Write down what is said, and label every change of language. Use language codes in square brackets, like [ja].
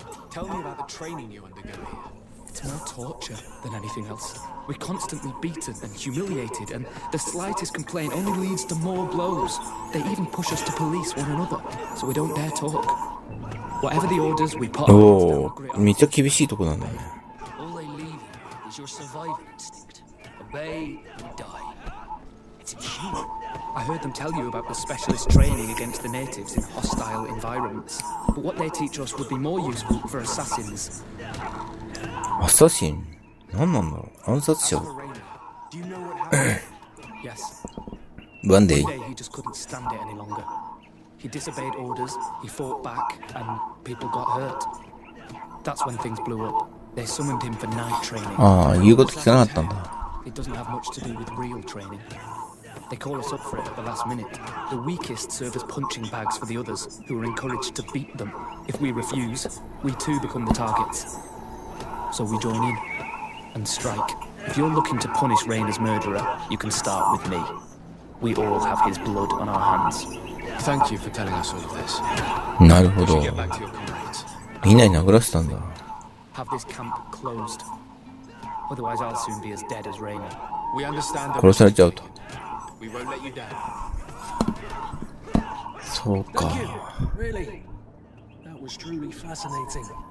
[en] Tell me about the training you undergo here. It's more torture than anything else. We're constantly beaten and humiliated, and the slightest complaint only leads to more blows. They even push us to police one another, so we don't dare talk. Whatever the orders, we put. [ja] Oh, めっちゃ厳しいとこなんだね。 [en] All they leave you is your survival instinct. Obey and die. It's inhuman. I heard them tell you about the specialist training against the natives in hostile environments. But what they teach us would be more useful for assassins. [ja] Assassin? 何なんだろう暗殺者 [en] Do you know what happened? Yes. One day he just couldn't stand it any longer. He disobeyed orders, he fought back, and people got hurt. That's when things blew up. They summoned him for night training. [ja] ああ、言うこと聞かなかったんだ。 [en] It doesn't have much to do with real training. They call us up for it at the last minute. The weakest serve as punching bags for the others, who are encouraged to beat them. If we refuse, we too become the targets. So we join in and strike. If you're looking to punish Rayner's murderer, you can start with me. We all have his blood on our hands. Thank you for telling us all of this. [ja] なるほど。 [en] We should get back to your comrades. [ja] みんなに殴らせたんだ。 [en] Have this camp closed. Otherwise, I'll soon be as dead as Rayner. We understand. [ja] 殺されちゃうと。 [en] We won't let you down. [ja] そうか。 [en] Really? That was truly fascinating.